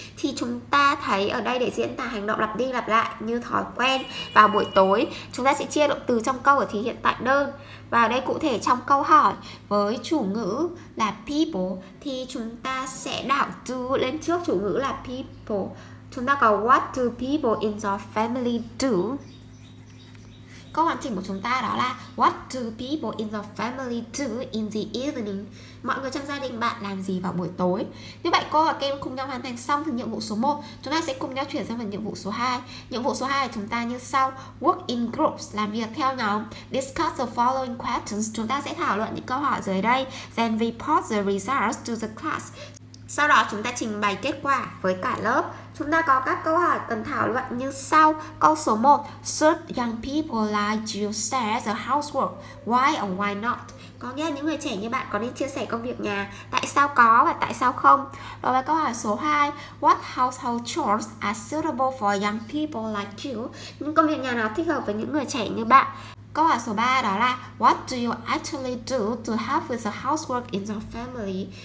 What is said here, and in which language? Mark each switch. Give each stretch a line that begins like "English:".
Vietnamese: Thì chúng ta thấy ở đây để diễn tả hành động lặp đi lặp lại như thói quen vào buổi tối, chúng ta sẽ chia động từ trong câu ở thì hiện tại đơn. Và ở đây cụ thể trong câu hỏi với chủ ngữ là people thì chúng ta sẽ đảo do lên trước chủ ngữ là people. Chúng ta có
English: what do people in your family do?
Vietnamese: Câu hoàn chỉnh của chúng ta đó là
English: what do people in your family do in the evening?
Vietnamese: Mọi người trong gia đình bạn làm gì vào buổi tối? Như vậy cô và các em cùng nhau hoàn thành xong phần nhiệm vụ số 1. Chúng ta sẽ cùng nhau chuyển sang phần nhiệm vụ số 2. Nhiệm vụ số 2 của chúng ta như sau:
English: work in groups,
Vietnamese: làm việc theo nhóm.
English: Discuss the following questions.
Vietnamese: Chúng ta sẽ thảo luận những câu hỏi dưới đây.
English: Then report the results to the class.
Vietnamese: Sau đó chúng ta trình bày kết quả với cả lớp. Chúng ta có các câu hỏi cần thảo luận như sau. Câu số 1,
English: should young people like you share the housework? Why or why not?
Vietnamese: Có nghĩa là những người trẻ như bạn có nên chia sẻ công việc nhà, tại sao có và tại sao không. Và với câu hỏi số 2,
English: what household chores are suitable for young people like you?
Vietnamese: Những công việc nhà nào thích hợp với những người trẻ như bạn? Câu hỏi số 3 đó là
English: what do you actually do to help with the housework in your family?